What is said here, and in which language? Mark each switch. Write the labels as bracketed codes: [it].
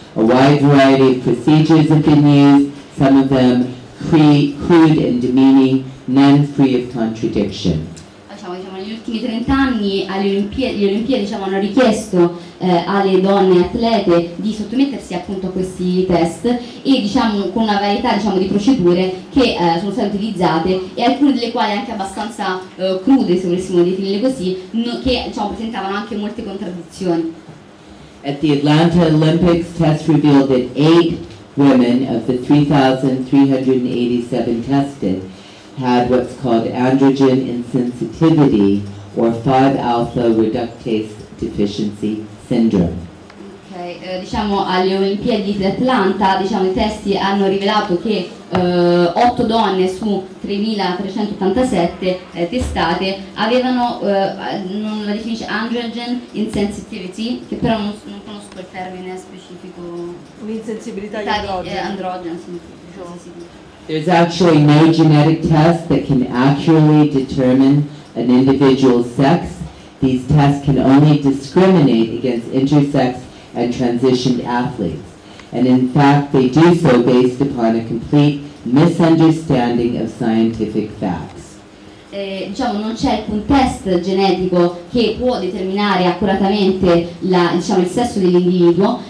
[en] A wide variety of procedures have been used, some of them crude and demeaning, none free of contradiction. [it] Negli ultimi 30 anni le Olimpiadi hanno richiesto alle donne atlete di sottomettersi appunto a questi test e diciamo con una varietà di procedure che sono state utilizzate e alcune delle quali anche abbastanza crude, se volessimo definirle così, che presentavano anche molte contraddizioni. [en] At the Atlanta Olympics, tests revealed that 8 women of the 3,387 tested had what's called androgen insensitivity or 5-alpha reductase deficiency syndrome. [it] Okay, alle Olimpiadi di Atlanta, i testi hanno rivelato che 8 donne su 3387 testate avevano la definizione androgen insensitivity, che però non conosco il termine specifico. Un'insensibilità di androgen. [en] There's actually no genetic test that can accurately determine an individual's sex. These tests can only discriminate against intersex and transitioned athletes. And in fact, they do so based upon a complete misunderstanding of scientific facts. [it] Non c'è alcun test genetico che può determinare accuratamente il sesso dell'individuo.